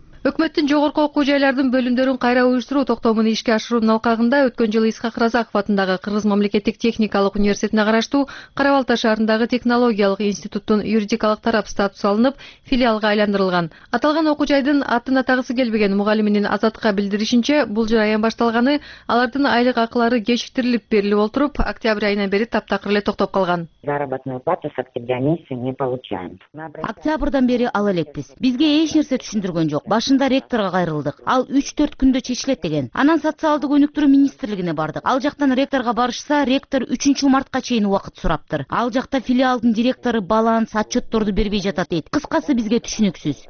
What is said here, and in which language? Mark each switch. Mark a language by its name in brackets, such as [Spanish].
[Kyrgyz] Өкмөттүн жогорку окуу жайлардын бөлүмдөрүн кайра уюштуруу токтомун ишке ашыруунун алкагында өткөн жылы Исхак Разаков атындагы Кыргыз мамлекеттик техникалык университетине караштуу Карабалта шаарындагы технологиялык институттун юридикалык тарап статусу алынып, филиалга айландырылган. Аталган окуу жайдын атын атагысы келбеген мугалиминин Азатка билдиришинче, бул жыл аян башталганы, алардын айлык акылары кечиктирилип берилип отуруп, октябрь айынан бери таптакыр эле токтоп калган. [Russian] Заработная плата с октября месяца не получаем. [Kyrgyz] Октябрдан бери ал элекпиз. Бизге эч нерсе түшүндүргөн жок. Башында ректорго кайрылдык. Ал 3-4 күндө чечилет деген. Анан социалдык өнүктүрүү министрлигине бардык. Ал жактан ректорго барышса, ректор 3-чү мартка чейин убакыт сураптыр. Ал жакта филиалдын директору баланс отчётторду бербей жатат дейт. Кыскасы бизге түшүнүксүз.